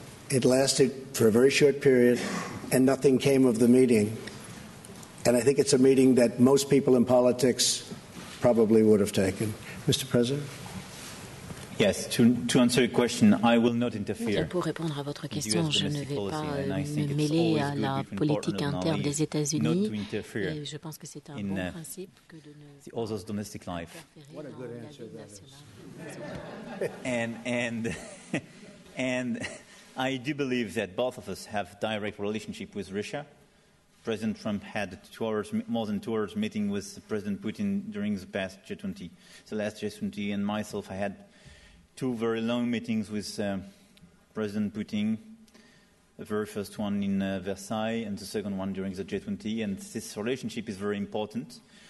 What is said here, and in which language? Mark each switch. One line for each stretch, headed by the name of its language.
English: It lasted for a very short period, and nothing came of the meeting. And I think it's a meeting that most people in politics probably would have taken. Mr. President? Yes, to answer your question, I will not interfere.
French: Et pour répondre à votre question, je ne vais pas me mêler à la politique interne des États-Unis. Et je pense que c'est un bon principe que de ne pas interférer dans la vie nationale.
English: And I do believe that both of us have direct relationship with Russia. President Trump had more than two hours meeting with President Putin during the past G20. The last G20, and myself, I had two very long meetings with President Putin, the very first one in Versailles and the second one during the G20, and this relationship is very important.